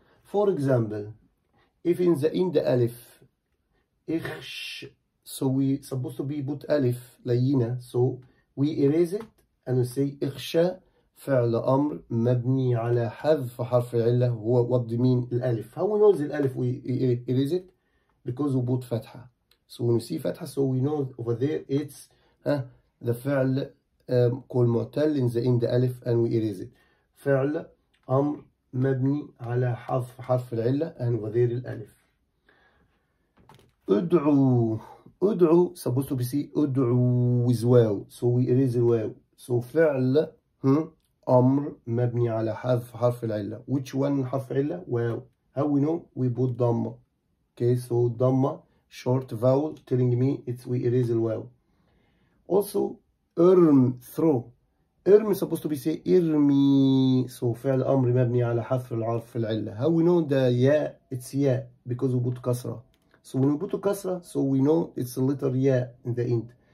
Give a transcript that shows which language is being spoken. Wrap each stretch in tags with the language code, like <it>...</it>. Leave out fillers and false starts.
<en>For example, if in the end alif اخش, so we supposed to be put alif لينا, so we erase it and we say</en> <ar>اخشى فعل أمر مبني على حذف حرف العلة هو وضمين الألف.</ar> <en>How we know the ألف we erase it? Because we put فتحة. So when you see فتحة, so we know over there it's the فعل called معتل in the end ألف and we erase it.</en> <ar>فعل أمر مبني على حذف حرف العلة</ar> <en>and over there</en> <ar>الألف.</ar> <en>أدعو. أدعو supposed to be see أدعو with واو. So we erase the واو.</en> <ar>So فعل أمر مبني على حذف حرف العلة.</ar> <en>Which one حرف علة؟ واو. How we know? We put ضمة. Okay, so ضمة short vowel telling me it's we erase the واو. Also إرم throw. إرم supposed to be say إرمي.</en> <ar>So فعل أمر مبني على حذف الحرف العلة.</ar> <en>How we know the ياء؟ It's ياء because we put كسرة. So when we put كسرة, so we know it's a letter ياء in the end.</en>